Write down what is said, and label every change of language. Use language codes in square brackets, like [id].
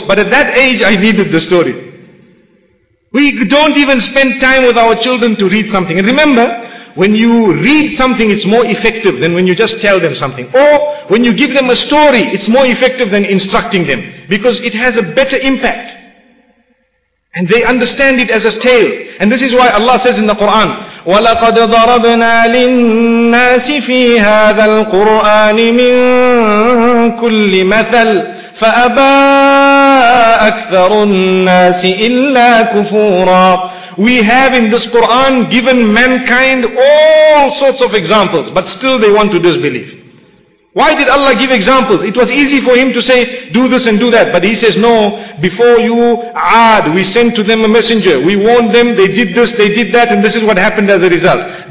[en] But at that age, I needed the story. We don't even spend time with our children to read something. And remember, when you read something, it's more effective than when you just tell them something. Or when you give them a story, it's more effective than instructing them. Because it has a better impact. And they understand it as a tale. And this is why Allah says in the Quran, [ar] وَلَقَدْ ضَرَبْنَا لِلنَّاسِ فِي هَذَا الْقُرْآنِ مِنْ كُلِّ مَثَلٍ فَأَبَى أَكْثَرُ النَّاسِ إِلَّا كُفُورًا. [en] We have in this Quran given mankind all sorts of examples, but still they want to disbelieve. Why did Allah give examples? It was easy for Him to say, do this and do that. But He says, no, before you, Aad, we sent to them a messenger. We warned them, they did this, they did that, and this is what happened as a result.